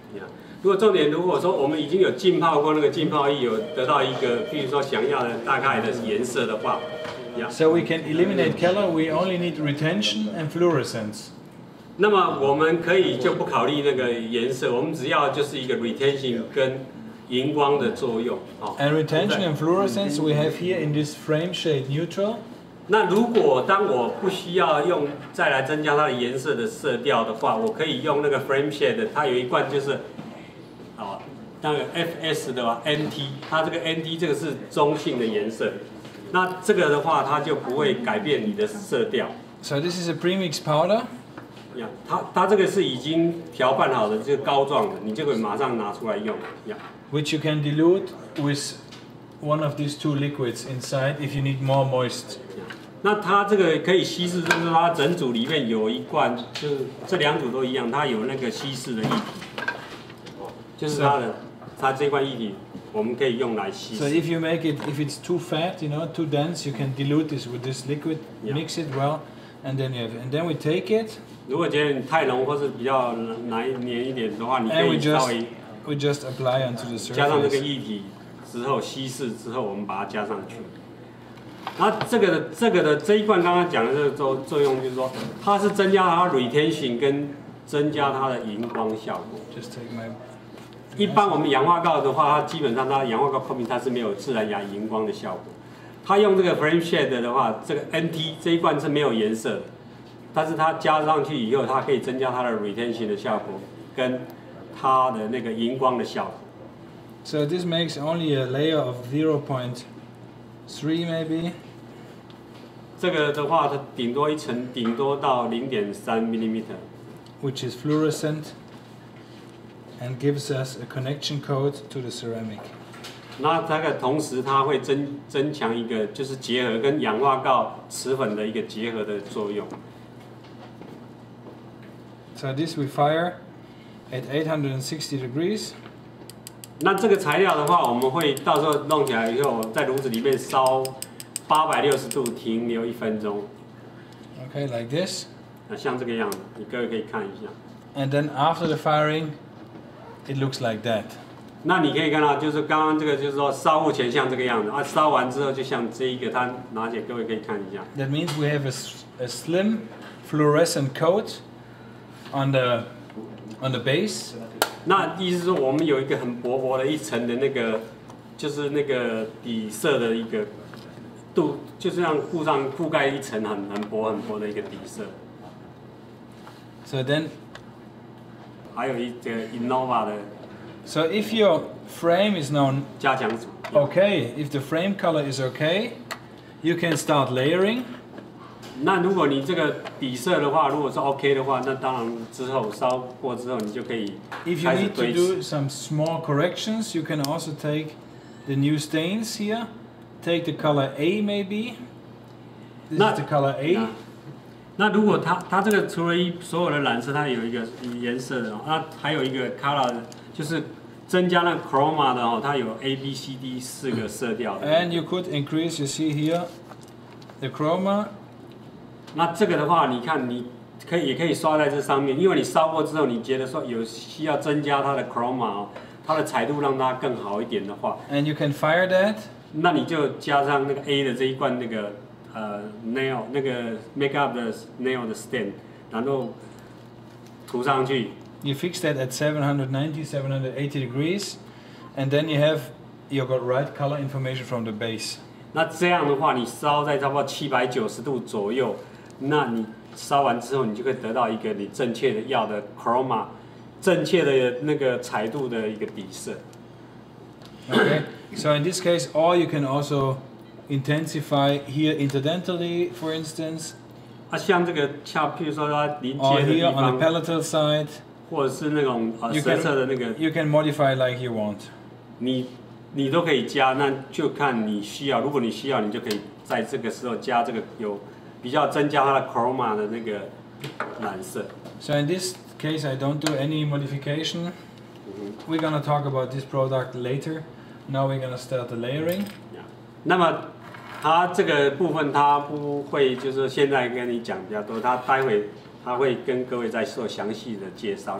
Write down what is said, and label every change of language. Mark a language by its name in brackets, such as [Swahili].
[English] Yeah. [Chinese] 如果重点，如果说我们已经有浸泡过那个浸泡液，有得到一个，比如说想要的大概的颜色的话， yeah. [English] So we can eliminate color. We only need retention and fluorescence. [Chinese] 那么我们可以就不考虑那个颜色，我们只要就是一个 retention 跟。荧光的作用、 [English] 哦、And retention and fluorescence we have here in this frame shade neutral. [Chinese] 那如果当我不需要用再来增加它的颜色的色调的话，我可以用那个 frame shade， 它有一罐就是，哦、那个 FS 的话 NT， 它这个 NT 这个是中性的颜色，那这个的话它就不会改变你的色调。 [English] So this is a premix powder. [Chinese] Yeah, 它这个是已经调拌好的，就是膏状的，你就可以马上拿出来用。 [English] Yeah. Which you can dilute with one of these two liquids inside if you need more moist. [Chinese] 那它这个可以稀释，就是它整组里面有一罐，就是这两组都一样，它有那个稀释的液体。就是它的，它这罐液体我们可以用来稀释。 [English] So if you make it, if it's too fat, you know, too dense, you can dilute this with this liquid, mix it well, and then you have, and then we take it. [Chinese] 如果觉得你太浓或是比较黏一点的话，你可以稍微。 [English] We just apply onto the surface. [Chinese] 加上这个液体之后稀释之后，我们把它加上去。那这个的这一罐刚刚讲的这个作用，就是说它是增加它 retention 跟增加它的荧光效果。 [English] Just take my. [Chinese] 一般我们氧化锆的话，它基本上它氧化锆泡瓶它是没有自然牙荧光的效果。它用这个 frame shade 的话，这个 NT 这一罐是没有颜色的，但是它加上去以后，它可以增加它的 retention 的效果跟。它的那个荧光的效果。 [English] So this makes only a layer of 0.3 maybe. [Chinese] 这个的话，它顶多一层，顶多到 0.3 millimeter. [English] Which is fluorescent and gives us a connection code to the ceramic. [Chinese] 那这个同时，它会增强一个，就是结合跟氧化锆瓷粉的一个结合的作用。 [English] So this we fire. At 860 degrees. [Chinese] 那这个材料的话，我们会到时候弄起来以后，在炉子里面烧860度，停留一分钟。 [English] Okay, like this. [Chinese] 那像这个样子，你各位可以看一下。 [English] And then after the firing, it looks like that. [Chinese] 那你可以看到，就是刚刚这个，就是说烧后前像这个样子啊，烧完之后就像这一个，它拿起来各位可以看一下。 [English] That means we have a slim fluorescent coat on the. On the base, [Chinese] 那意思是我们有一个很薄薄的一层的那个，就是那个底色的一个度，就是让覆盖一层很薄的一个底色。 [English] So then, [Chinese] 还有一个 Innova 的。 [English] So if your frame is now [Chinese] 加强组 [English] okay, if the frame color is okay, you can start layering. [Chinese] 那如果你这个底色的话，如果是 OK 的话，那当然之后烧过之后，你就可以开始堆。 [English] If you need to do some small corrections, you can also take the new stains here. Take the color A maybe. This is the color A. [Chinese] 那如果它这个除了所有的染色，它有一个颜色的，那还有一个 color， 就是增加了 chroma 的哦，它有 A B C D 四个色调的。 [English] And you could increase, you see here, the chroma. [Chinese] 那这个的话，你看，你可以也可以刷在这上面，因为你烧过之后，你觉得说有需要增加它的 chroma， 它的彩度让它更好一点的话 [English] ，and you can fire that， [Chinese] 那你就加上那个 A 的这一罐那个nail 那个 makeup 的 nail 的 stain， 然后涂上去。 [English] You fix that at 790-780 degrees， and then you got right color information from the base。 [Chinese] 那这样的话，你烧在差不多790度左右。那你烧完之后，你就可以得到一个你正确的要的 chroma， 正确的那个彩度的一个底色。 [English] Okay, so in this case, or you can also intensify here interdentally, for instance. [Chinese] 啊，像这个，像譬如说它邻接的地方。 [English] Or here on the palatal side. [Chinese] 或者是那种深色的那个 [English] you can modify like you want [Chinese] 你都可以加，那就看你需要，如果你需要你就可以在这个时候加这个有比较增加它的 chroma 的那个蓝色。 [English] So in this case I don't do any modification. We're gonna talk about this product later. Now we're gonna start the layering. Yeah. [Chinese] 那么它这个部分它不会就是现在跟你讲比较多，它待会它会跟各位再做详细的介绍。